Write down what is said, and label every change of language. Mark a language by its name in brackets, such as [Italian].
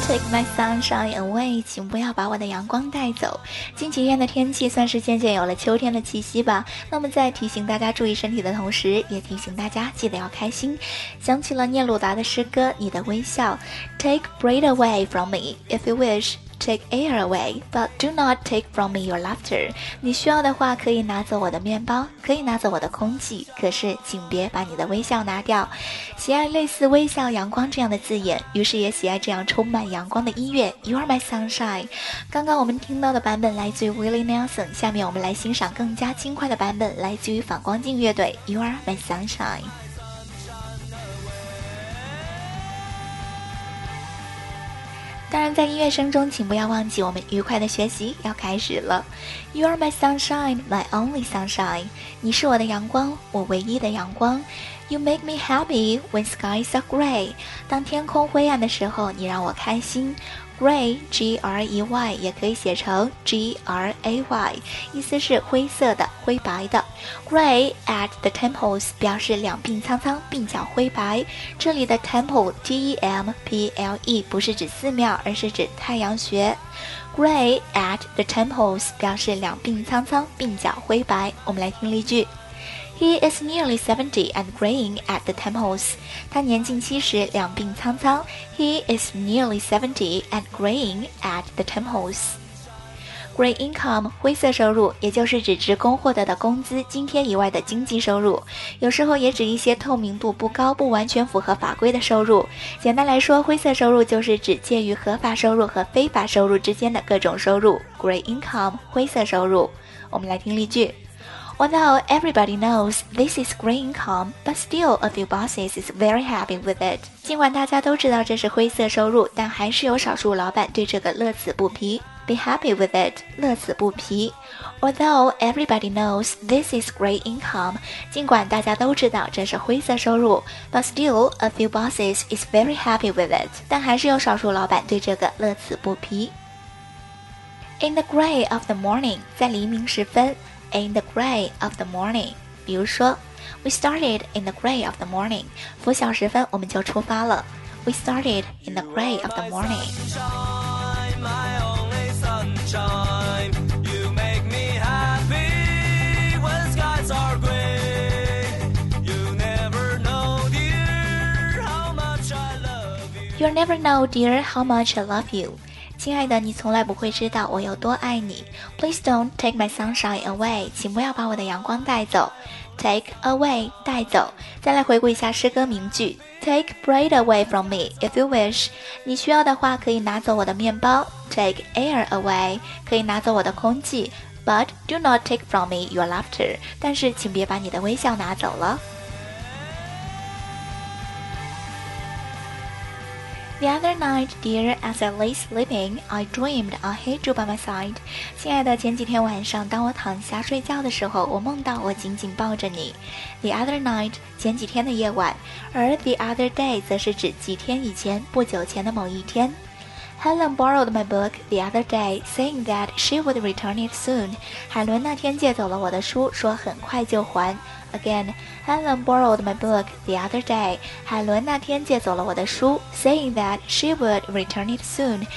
[English] My sunshine away， [Chinese] 请不要把我的阳光带走。近几天的天气算是渐渐有了秋天的气息吧。那么在提醒大家注意身体的同时，也提醒大家记得要开心。想起了聂鲁达的诗歌《你的微笑》 [English] ，Take breath away from me if you wish. Take air away, but do not take from me your laughter. [Chinese] 你需要的话可以拿走我的面包，可以拿走我的空气，可是请别把你的微笑拿掉。喜爱类似微笑、阳光这样的字眼，于是也喜爱这样充满阳光的音乐。 [English] You are my sunshine. [Chinese] 刚刚我们听到的版本来自于 Willie Nelson， 下面我们来欣赏更加轻快的版本，来自于反光镜乐队。 [English] You are my sunshine. [Chinese] 当然在音乐声中，请不要忘记我们愉快的学习要开始了。 [English] You are my sunshine, my only sunshine. [Chinese] 你是我的阳光，我唯一的阳光。 [English] You make me happy when skies are gray. [Chinese] 当天空灰暗的时候，你让我开心。Gray, G-R-E-Y 也可以写成 G-R-A-Y， 意思是灰色的、灰白的。 [English] Gray at the temples [Chinese] 表示两鬓苍苍，鬓角灰白。这里的 temple T-E-M-P-L-E 不是指寺庙，而是指太阳穴。 [English] Gray at the temples [Chinese] 表示两鬓苍苍，鬓角灰白。我们来听例句。 [English] He is nearly 70 and graying at the temples. [Chinese] 他年近七十，两鬓苍苍。 [English] He is nearly 70 and graying at the temples. Gray income, [Chinese] 灰色收入，也就是指职工获得的工资、津贴以外的经济收入。有时候也指一些透明度不高、不完全符合法规的收入。简单来说，灰色收入就是指介于合法收入和非法收入之间的各种收入。 [English] Gray income, [Chinese] 灰色收入。我们来听例句。 [English] Well, now everybody knows this is gray income, but still a few bosses is very happy with it. [Chinese] 尽管大家都知道这是灰色收入，但还是有少数老板对这个乐此不疲。 [English] Be happy with it, [Chinese] 乐此不疲。 [English] Although everybody knows this is gray income, [Chinese] 尽管大家都知道这是灰色收入 [English] ,but still a few bosses is very happy with it. [Chinese] 但还是有少数老板对这个乐此不疲。 [English] In the gray of the morning, [Chinese] 在黎明时分， [English] In the gray of the morning, [Chinese] 比如说 [English] We started in the gray of the morning, [Chinese] 拂晓时分我们就出发了 [English] We started in the gray of the morning. My only sunshine, you make me happy when skies are gray. You never know, dear, how much I love you. You never know, dear, how much I love you. [Chinese] 亲爱的，你从来不会知道我有多爱你。 [English] Please don't take my sunshine away. [Chinese] 请不要把我的阳光带走。 [English] Take away, [Chinese] 带走。再来回顾一下诗歌名句。 [English] Take bread away from me, if you wish. [Chinese] 你需要的话可以拿走我的面包。 [English] Take air away, [Chinese] 可以拿走我的空气。 [English] But do not take from me your laughter. [Chinese] 但是请别把你的微笑拿走了。 [English] The other night, dear, as I lay sleeping, I dreamed I had you by my side. [Chinese] 亲爱的，前几天晚上，当我躺下睡觉的时候，我梦到我紧紧抱着你。 [English] The other night, [Chinese] 前几天的夜晚，而 [English] the other day [Chinese] 则是指几天以前，不久前的某一天。 [English] Helen borrowed my book the other day, saying that she would return it soon. [Chinese] 海伦那天借走了我的书，说很快就还。 [English] Again, Helen borrowed my book the other day. [Chinese] 海伦那天借走了我的书 [English] saying that she would return it soon.